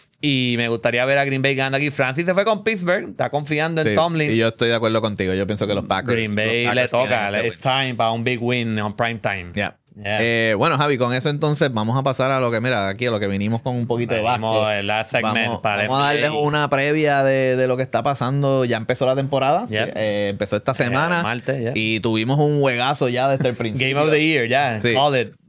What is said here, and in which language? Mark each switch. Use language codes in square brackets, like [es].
[es] Y me gustaría ver a Green Bay ganando aquí. Francis se fue con Pittsburgh. Está confiando en Tomlin. Y yo estoy de acuerdo contigo. Yo pienso que los Packers... Green Bay Packers le toca. [en] It's time [es] para un [en] big win on prime time. [es] Bueno, Javi, con eso entonces vamos a pasar a lo que... Mira, aquí a lo que vinimos con un poquito Vamos a darles una previa de lo que está pasando. Ya empezó la temporada. Empezó esta semana. Martes. Y tuvimos un juegazo ya desde el principio. [en] Game of the year, Call it.